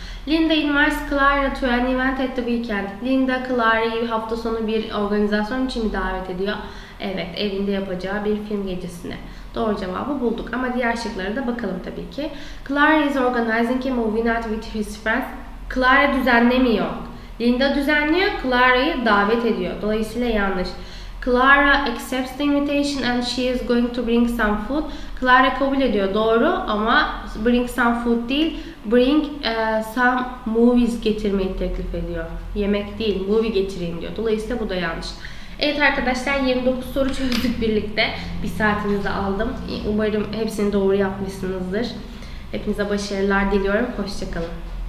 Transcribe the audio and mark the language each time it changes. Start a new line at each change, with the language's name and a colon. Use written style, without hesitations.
English: Linda invites Clara to an event at the weekend.
Turkish: Linda, Clara'yı hafta sonu bir organizasyon için mi davet ediyor? Evet, evinde yapacağı bir film gecesine. Doğru cevabı bulduk ama diğer şıklara da bakalım tabii ki.
English: Clara is organizing a movie night with his friends.
Turkish: Clara düzenlemiyor. Linda düzenliyor, Clara'yı davet ediyor. Dolayısıyla yanlış.
English: Clara accepts the invitation and she is going to bring some food.
Turkish: Clara kabul ediyor, doğru ama
English: bring some food
Turkish: değil,
English: bring some movies
Turkish: getirmeyi teklif ediyor. Yemek değil, movie getireyim diyor. Dolayısıyla bu da yanlış. Evet arkadaşlar, 29 soru çözdük birlikte. Bir saatinizi aldım. Umarım hepsini doğru yapmışsınızdır. Hepinize başarılar diliyorum. Hoşça kalın.